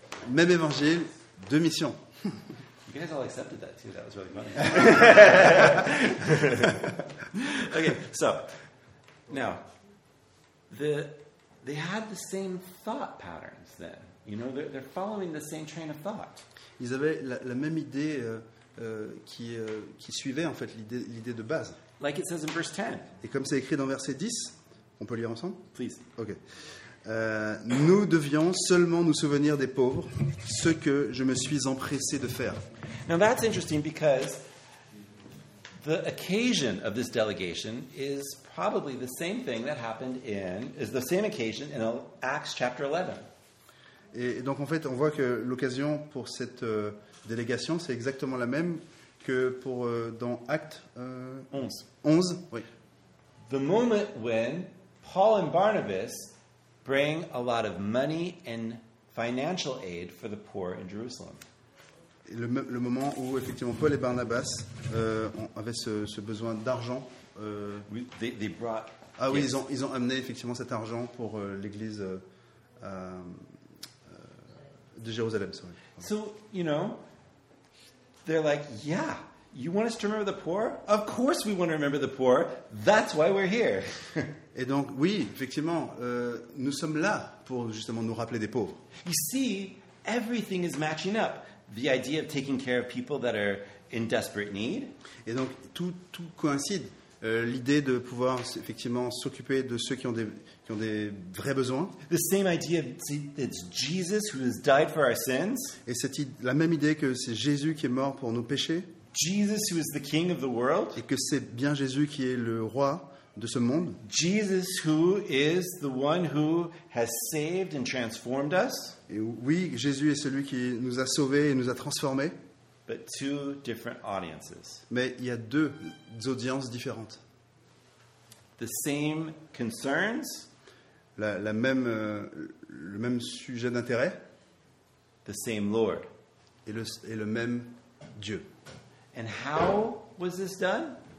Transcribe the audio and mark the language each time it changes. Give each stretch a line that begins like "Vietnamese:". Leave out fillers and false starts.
French: Même évangile, deux missions.
English: You guys all accepted that too. That was really funny. Okay, so now they had the same thought patterns. Then you know they're following the same train of thought.
French: Ils avaient la même idée qui suivait en fait l'idée de base.
English: Like it says in verse 10.
French: Et comme c'est écrit dans verset 10, on peut lire ensemble.
English: Please. Okay.
French: Nous devions seulement nous souvenir des pauvres, ce que je me suis empressé de faire.
English: Now that's interesting because the occasion of this delegation is probably the same thing that happened is the same occasion in Acts chapter 11.
French: Et donc en fait, on voit que l'occasion pour cette délégation, c'est exactement la même que pour dans Actes 11. Oui.
English: The moment when Paul and Barnabas bring a lot of money and financial aid for the poor in Jerusalem.
French: Le moment où effectivement Paul et Barnabas avaient ce besoin d'argent.
English: They brought.
French: Ah oui, ils ont amené effectivement cet argent pour l'église de Jérusalem.
English: Sorry. So you know, they're like, yeah, you want us to remember the poor? Of course we want to remember the poor. That's why we're here.
French: Et donc, oui, effectivement, nous sommes là pour justement nous rappeler des pauvres.
English: You see, everything is matching up. The idea of taking care of people that are in desperate need.
French: Et donc, tout coïncide. L'idée de pouvoir effectivement s'occuper de ceux qui ont des vrais besoins.
English: The same idea that it's Jesus who has died for our sins.
French: Et c'est la même idée que c'est Jésus qui est mort pour nos péchés.
English: Jesus who is the king of the world.
French: Et que c'est bien Jésus qui est le roi de ce monde.
English: Jesus who is the one who has saved and transformed us.
French: Et oui, Jésus est celui qui nous a sauvés et nous a transformés.
English: But two different audiences.
French: Mais il y a deux audiences différentes.
English: The same concerns.
French: Le même sujet d'intérêt.
English: The same Lord.
French: Et le même Dieu.
English: And how was this done?